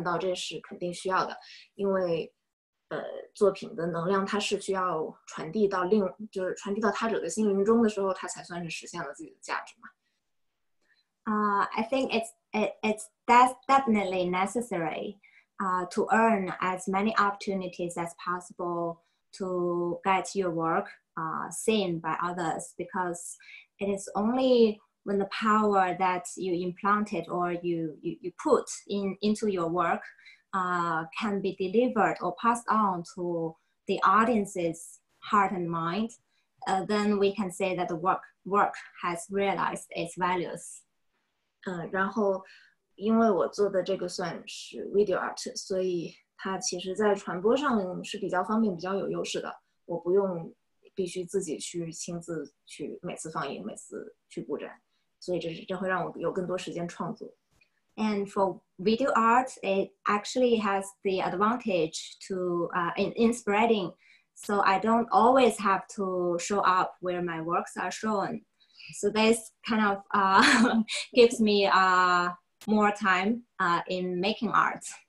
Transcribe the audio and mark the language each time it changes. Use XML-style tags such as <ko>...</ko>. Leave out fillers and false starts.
<zh>我觉得争取尽量多的机会让作品可以让更多人看到，这是肯定需要的，因为 作品的能量，它是需要传递到他者的心灵中的时候，它才算是实现了自己的价值嘛。</zh> <en>I think it's definitely necessary to earn as many opportunities as possible to get your work seen by others, because it is only when the power that you implanted or you put into your work can be delivered or passed on to the audience's heart and mind, then we can say that the work has realized its values.</en> <zh>然后因为我做的这个算是 video art, 所以它其实在传播上是比较方便、比较有优势的。我不用必须自己去亲自去每次放映、每次去布展，所以这会让我有更多时间创作。</zh> <en>And for video art, it actually has the advantage to in spreading. So I don't always have to show up where my works are shown. So this kind of gives me more time in making art.</en>